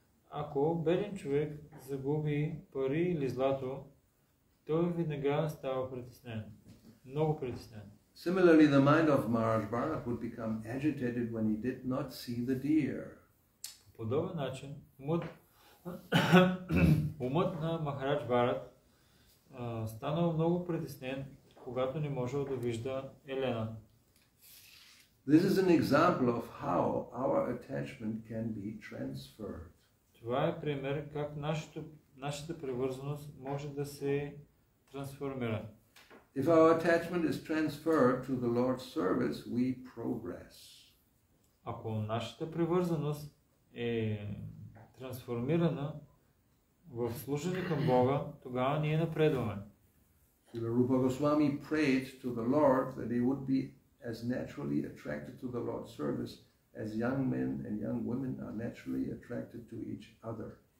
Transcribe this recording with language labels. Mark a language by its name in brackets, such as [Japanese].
[Bulgarian] Ако беден човек загуби пари или злато, той веднага става притеснен. Много притеснен. [English] Similarly, the mind of Maharaj Bharat would become agitated when he did not see the deer. [Bulgarian] По подобен начин, умът на Махарадж Бхарад станал много притеснен, когато не можел да вижда Елена. [English] This is an example of how our attachment can be transferred. [Bulgarian] Това е пример как нашата привързаност може да се трансформира. [English] If our attachment is transferred to the Lord's service, we progress. [Bulgarian] Ако нашата привързаност е трансформирана в служение към Бога, тогава ние напредваме. [English] Rupa Goswami prayed to the Lord that he would be as naturally attracted to the Lord's service as young men and young women are naturally attracted to each other.